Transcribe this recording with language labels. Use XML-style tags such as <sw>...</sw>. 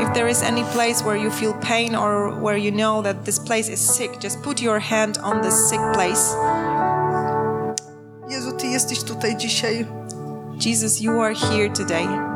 <en>If there is any place where you feel pain or where you know that this place is sick, just put your hand on this sick place.</en> <pl>Jezu, Ty jesteś tutaj dzisiaj.</pl> <en>Jesus, you are here today.</en>